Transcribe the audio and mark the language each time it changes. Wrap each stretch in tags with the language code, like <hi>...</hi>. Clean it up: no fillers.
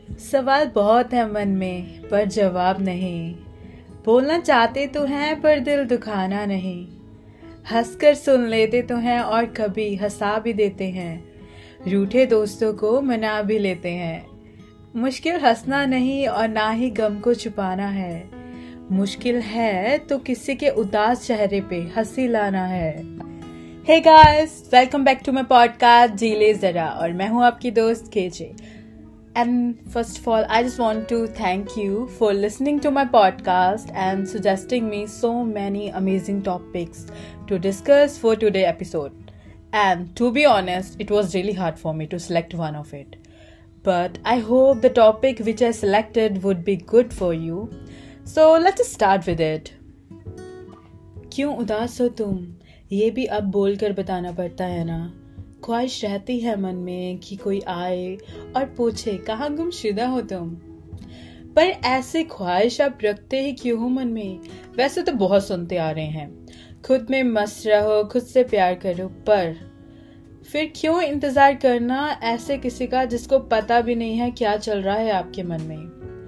<hi>सवाल बहुत है मन में पर जवाब नहीं, बोलना चाहते तो हैं पर दिल दुखाना नहीं, हंसकर सुन लेते तो हैं और कभी हंसा भी देते हैं, रूठे दोस्तों को मना भी लेते हैं। मुश्किल हंसना नहीं और ना ही गम को छुपाना है, मुश्किल है तो किसी के उदास चेहरे पे हंसी लाना है।</hi> <en>hey guys, welcome back to my podcast</en> <hi>जीले जरा, और मैं हूँ आपकी दोस्त KJ.</hi> <en>And first of all, I just want to thank you for listening to my podcast and suggesting me so many amazing topics to discuss for today's episode. And to be honest, it was really hard for me to select one of it. But I hope the topic which I selected would be good for you. So let's just start with it.</en> <hi>क्यों उदास हो तुम? ये भी अब बोल कर बताना पड़ता है ना? ख्वाहिश रहती है मन में कि कोई आए और पूछे कहाँ गुमशुदा हो तुम, पर ऐसे ख्वाहिश आप रखते ही क्यों हो मन में? वैसे तो बहुत सुनते आ रहे हैं, खुद में मस्त रहो, खुद से प्यार करो, पर फिर क्यों इंतजार करना ऐसे किसी का जिसको पता भी नहीं है क्या चल रहा है आपके मन में?</hi>